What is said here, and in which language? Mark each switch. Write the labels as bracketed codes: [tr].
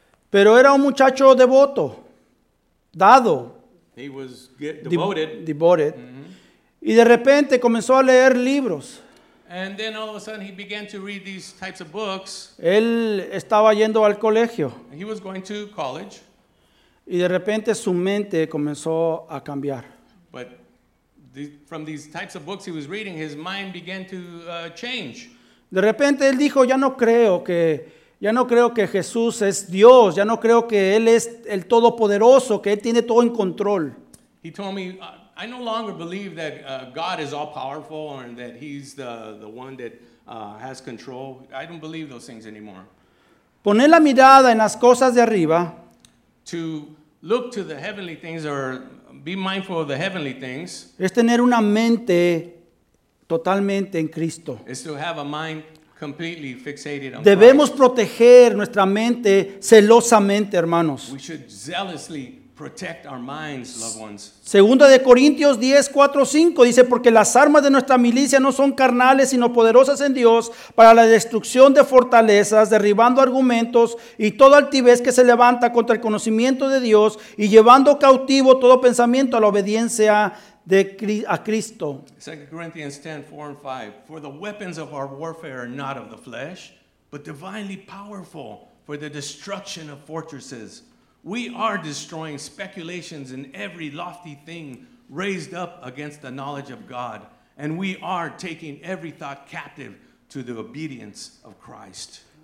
[es] Pero era un muchacho devoto. Dado. [en] He was devoted. [es] Devoted. Mm-hmm. Y de repente comenzó a leer libros. [en] And then all of a sudden he began to read these types of books. [es] Él estaba yendo al colegio. [en] He was going to college. [es] Y de repente su mente comenzó a cambiar. [en] But from these types of books he was reading, his mind began to change. [es] De repente él dijo, ya no creo que Jesús es Dios, ya no creo que Él es el Todopoderoso, que Él tiene todo en control. [en] He told me, I no longer believe that God is all-powerful and that He's the one that has control. I don't believe those things anymore. [es] Poner la mirada en las cosas de arriba. [en] To look to the heavenly things or be mindful of the heavenly things. [es] Es tener una mente totalmente en Cristo. [en] Is to have a mind completely fixated on [es] Debemos [en] Christ. [es] Proteger nuestra mente celosamente, hermanos. [en] We should zealously protect our minds, loved ones. [es] Segunda de Corintios 10:4-5 dice, porque las armas de nuestra milicia no son carnales, sino poderosas en Dios para la destrucción de fortalezas, derribando argumentos y toda altivez que se levanta contra el conocimiento de Dios y llevando cautivo todo pensamiento a la obediencia de a Cristo. [en] 2 Corinthians 10:4-5, for the weapons of our warfare are not of the flesh, but divinely powerful for the destruction of fortresses. We are destroying speculations and every lofty thing raised up against the knowledge of God. And we are taking every thought captive to the obedience of Christ.